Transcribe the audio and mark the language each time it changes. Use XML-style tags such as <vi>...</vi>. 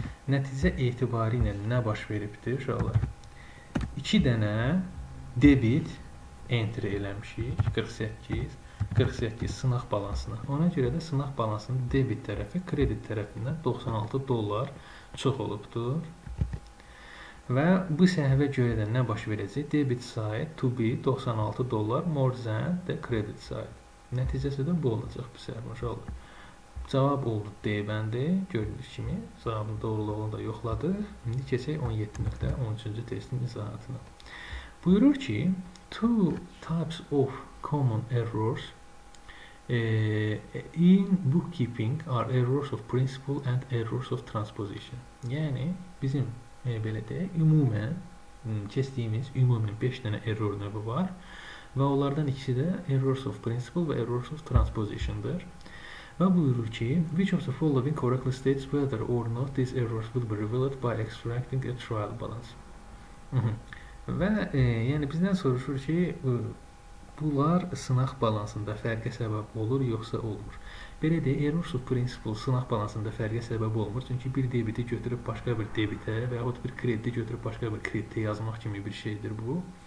<az>Nəticə etibarilə nə baş veribdir uşaqlar? 2 dənə debit enter eləmişik 48 48 sınaq balansına. Ona görə də sınaq balansının debit tərəfi kredit tərəfindən 96 dollar çox olubdur. Və bu səhvə görə də nə baş verəcək?</az> <en>Debit side to be 96 dollar more than the credit side.</en> <az>Nəticəsi də bu olacaq bu səhvə uşaqlar. Cavab oldu D bəndi. Gördüyünüz kimi cavabın doğruluğunu da yoxladıq. İndi keçək 17.13-cü testin izahatına. Buyurur ki,</az> <en>two types of common errors in bookkeeping are errors of principle and errors of transposition.</en> <az>Yəni, bizim belə deyək, ümumən, kestiyimiz ümumən 5 dənə error növü var və onlardan ikisi də errors of principle və errors of transposition-dır. Və buyurur ki,</az> <en>which of the following correctly states whether or not these errors will be revealed by extracting a trial balance?</en> <az>Və yəni bizdən soruşur ki, bunlar sınaq balansında fərqə səbəb olur, yoxsa olmur. Belə deyək, errors of principle sınaq balansında fərqə səbəb olmur. Çünki bir debiti götürüb başqa bir debitə və yaxud bir krediti götürüb başqa bir kreditə yazmaq kimi bir şeydir bu.</az>